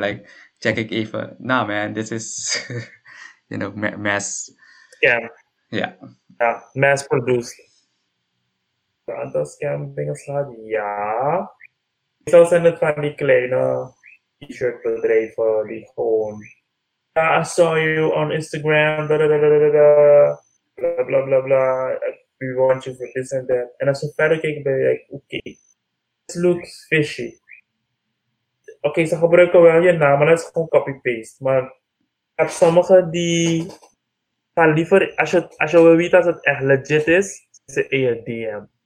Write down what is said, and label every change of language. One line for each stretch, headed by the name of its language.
Dutch: En like, check ik even. Nou man,
English: this is... You know, mass... Scam. Yeah. Yeah, mass-produced.
Dutch: De aantal scam-dingen staat, ja. Meestal zijn het van die kleine t-shirt-bedrijven die gewoon...
English: I saw you on Instagram, we want you for this and that.
Dutch: En als je verder kijkt, ben je like, okay.
English: This looks fishy.
Dutch: Okay, ze gebruiken wel je naam, maar dat is gewoon copy-paste, maar... Sommigen die gaan liever, als je wil weten als het echt legit is, is het in je DM.